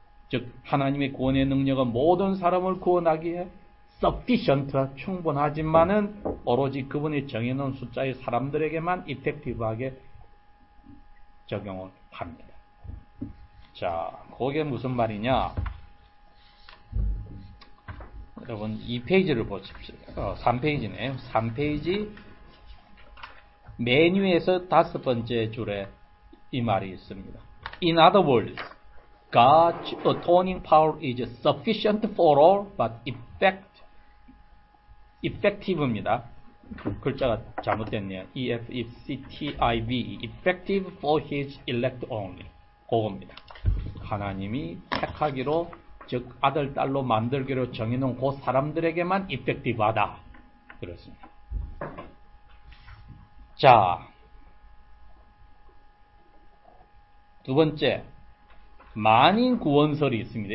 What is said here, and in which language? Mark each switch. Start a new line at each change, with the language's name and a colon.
Korean: 즉 하나님의 구원의 능력은 모든 사람을 구원하기에 sufficient, 충분하지만은 오로지 그분이 정해놓은 숫자의 사람들에게만 effective하게 적용을 합니다. 자, 그게 무슨 말이냐? 여러분, 2페이지를 보십시오. 3페이지네요. 3페이지 메뉴에서 다섯 번째 줄에 이 말이 있습니다.
English: In other words, God's atoning power is sufficient for all, but effective입니다.
Korean: 글자가 잘못됐네요. E-F-E-C-T-I-V-E.
English: Effective for his elect only.
Korean: 그겁니다. 하나님이 택하기로, 즉 아들, 딸로 만들기로 정해놓은 그 사람들에게만 effective하다. 그렇습니다. 자, 두 번째, 만인 구원설이 있습니다.